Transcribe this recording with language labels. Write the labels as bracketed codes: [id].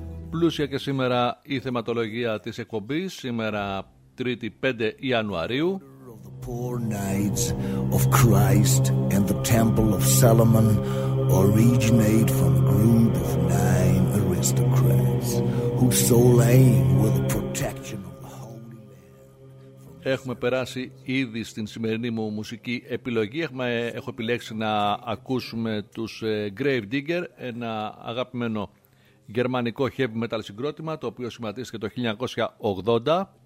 [el] Πλούσια και σήμερα η θεματολογία της εκπομπής, σήμερα 3η 5 Ιανουαρίου. [en] Poor Knights of Christ and the Temple of Solomon originate from a group of nine aristocrats whose sole aim was the protection of the Holy Land. [el] Έχουμε περάσει ήδη στην σημερινή μου μουσική επιλογή. Έχω επιλέξει να ακούσουμε τους Grave Digger, ένα αγαπημένο γερμανικό heavy metal συγκρότημα το οποίο σχηματίστηκε το 1980.